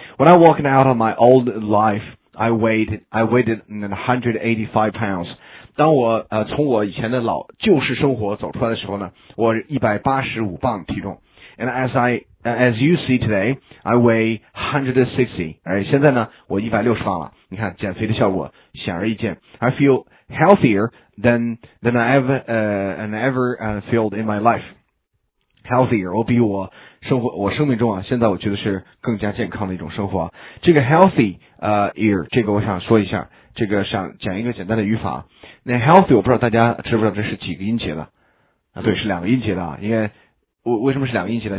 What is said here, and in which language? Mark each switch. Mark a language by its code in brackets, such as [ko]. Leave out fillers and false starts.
[en] When I walked out of my old life, I weighed 185 pounds. [zh] 当我从我以前的老旧式生活走出来的时候呢，我185磅体重。 [en] And as you see today, I weigh 160. [zh] 现在呢，我160磅了。你看，减肥的效果显而易见。 [en] I feel healthier than I ever, felt in my life. Healthier. [zh] 我比我生活，我生命中啊，现在我觉得是更加健康的一种生活。这个 healthier, 这个我想说一下，这个想讲一个简单的语法。那 healthy, 我不知道大家知不知道这是几个音节的。啊，对，是两个音节的啊，因为为什么是两个音节呢？